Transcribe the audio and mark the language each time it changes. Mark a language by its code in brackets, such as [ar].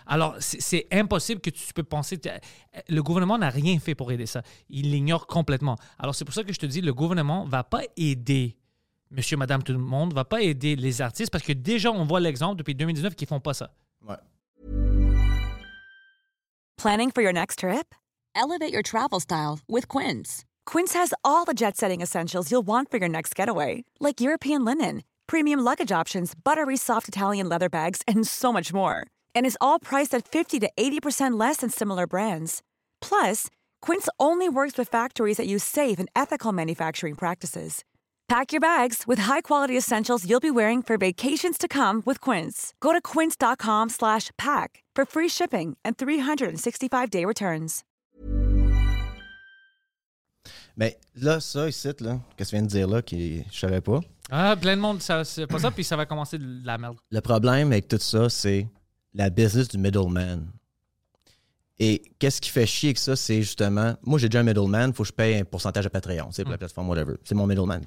[fr] Alors, c'est impossible que tu peux penser... Le gouvernement n'a rien fait pour aider ça. Il l'ignore complètement. Alors, c'est pour ça que je te dis, le gouvernement ne va pas aider monsieur, madame, tout le monde, ne va pas aider les artistes parce que déjà, on voit l'exemple depuis 2019 qu'ils ne font pas ça. Ouais. [en] Planning for your next trip? Elevate your travel style with Quince. Quince has all the jet-setting essentials you'll want for your next getaway, like European linen, premium luggage options, buttery soft Italian leather bags, and so much more. And it's all priced at 50 to 80% less than similar brands. Plus, Quince only works with factories that use safe and ethical manufacturing practices. Pack your bags with high-quality essentials you'll be wearing for vacations to come with Quince. Go to quince.com/pack for free shipping and 365-day returns. [fr] Mais là, ça, ici, là, que tu viens de dire là, que je savais pas. Ah, plein de monde, ça, c'est pas ça, puis ça va commencer de la merde. Le problème avec tout ça, c'est la business du middleman. Et qu'est-ce qui fait chier avec ça, c'est justement... Moi, j'ai déjà un middleman, il faut que je paye un pourcentage à Patreon, c'est pour la plateforme, whatever. C'est mon middleman.